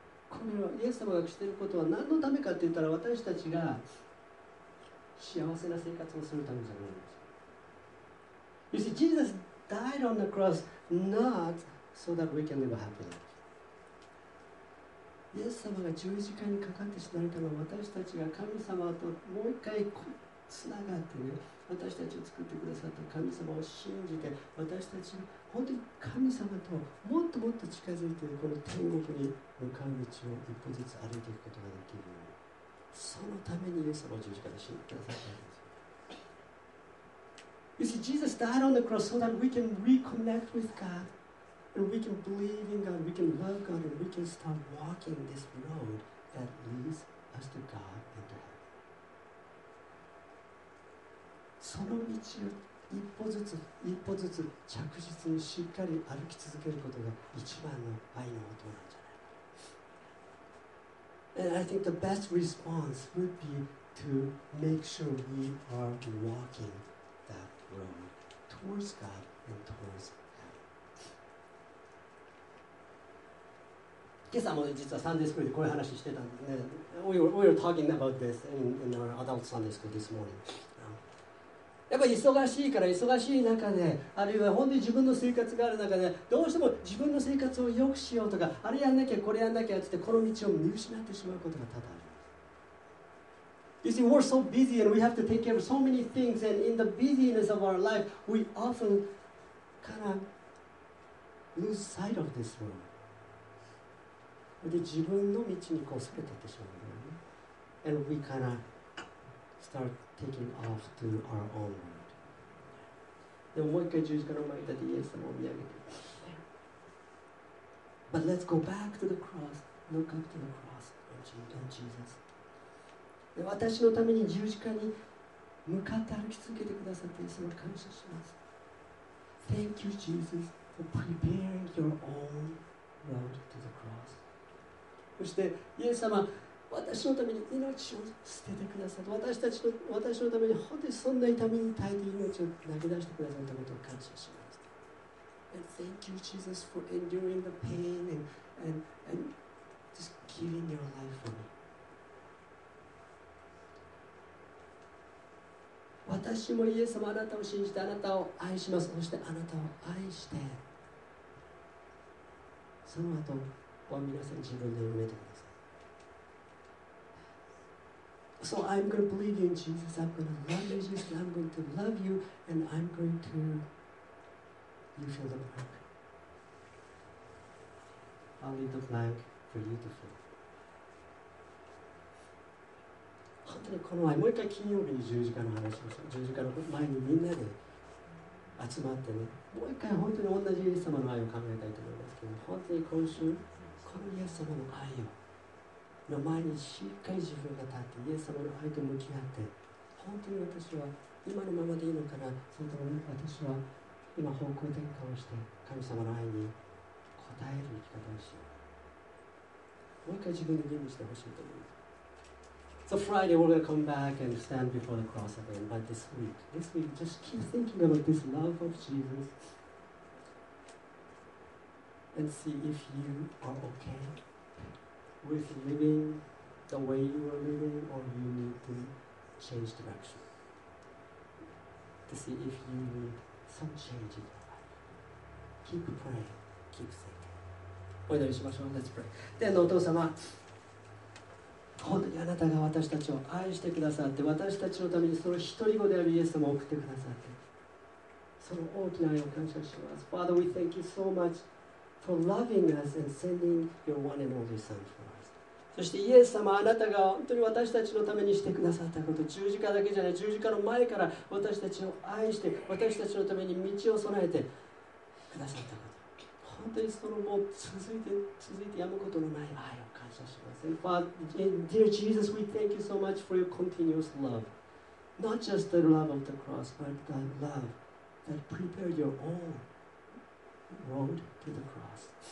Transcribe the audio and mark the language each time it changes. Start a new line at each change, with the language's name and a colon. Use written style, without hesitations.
Japanese: イエス様がしていることは何のためかって言ったら、私たちが幸せな生活をするためじゃないんです。
English: You see, Jesus died on the cross not so that we can live a happy life.
Japanese: イエス様が十字架にかかって死なれたのは、私たちが神様ともう一回つながってね、私たちを作ってくださった神様を信じて、私たちが本当に神様ともっともっと近づいて、この天国に向かう道を一歩ずつ歩いていくことができるように、そのためにイエス様を十字架で死んでくださったんです。
English: You see, Jesus died on the cross so that we can reconnect with God And we can believe in God, we can love God, and we can start walking this road that leads us to God and to heaven.
Japanese: その道を一歩ずつ一歩ずつ着実にしっかり歩き続けることが一番の愛の音なんじゃないか。
English: And I think the best response would be to make sure we are walking that road towards God and towards heaven.
Japanese: 今朝も実はサンデースクールでこういう話してたんで、
English: we were talking about this in our adult Sunday school this morning.
Japanese: やっぱり忙しいから忙しい中で、あるいは本当に自分の生活がある中で、どうしても自分の生活を良くしようとか、あれやんなきゃこれやんなきゃってこの道を見失ってしまうことが多々あります。
English: You see, we're so busy and we have to take care of so many things, and in the busyness of our life, we often kind of lose sight of this road.
Japanese: で自分の道にこうそれていってしまう、ね。
English: And we kind of start. Taking off to our own world.
Japanese: でももう一回十字架の前に立ってイエス様を見上げて。
English: But let's go back to the cross. Look up to the cross and Jesus.
Japanese: で私のために十字架に向かって歩き続けてくださってイエス様感謝します。
English: Thank you, Jesus, for preparing your own road to the cross.
Japanese: そしてイエス様私のために命を捨ててくださった私たちの私のために本当にそんな痛みに耐えて命を投げ出してくださったことを感謝します。
English: And thank you, Jesus, for enduring the pain and just giving your life for me.
Japanese: 私もイエス様あなたを信じてあなたを愛します。そしてあなたを愛してその後は皆さん自分で埋めてください。
English: So I'm going to believe in Jesus, I'm going to love you, Jesus, I'm going to love you, and I'm going to, you fill the blank. I'll leave the blank for you to fill.
Japanese: 本当にこの前、もう一回金曜日に十字架の話をしました。十字架の前にみんなで集まってね、もう一回本当に同じイエス様の愛を考えたいと思いますけど、本当に今週、このイエス様の愛を、の前にしっかり自分が立ってイエス様の愛と向き合って本当に私は今のままでいいのかな、それとも私は今方向転換をして神様の愛に応える生き方をしよう、もう一回自分で吟味してほしいと思います。
English: So Friday we're going to come back and stand before the cross again, but this week just keep thinking about this love of Jesus and see if you are okayWith living the way you are living, or you need to change direction to see if you need some change in your life. Keep praying, keep thinking.
Japanese: お祈りしましょう。
English: Let's pray.
Japanese: 天のお父様、本当にあなたが私たちを愛してくださって、私たちのためにその一人子であるイエス様を送ってくださって、その大きな愛を感謝します。
English: Father, we thank you so much for loving us and sending your one and only Son for us.
Japanese: そしてイエス様、あなたが本当に私たちのためにしてくださったこと、十字架だけじゃない、十字架の前から私たちを愛して、私たちのために道を備えてくださったこと、本当にそのもう続いてやむことのない愛を感謝します。
English: And Father, dear Jesus, we thank you so much for your continuous love. Not just the love of the cross, but the love that prepared your own road to the cross.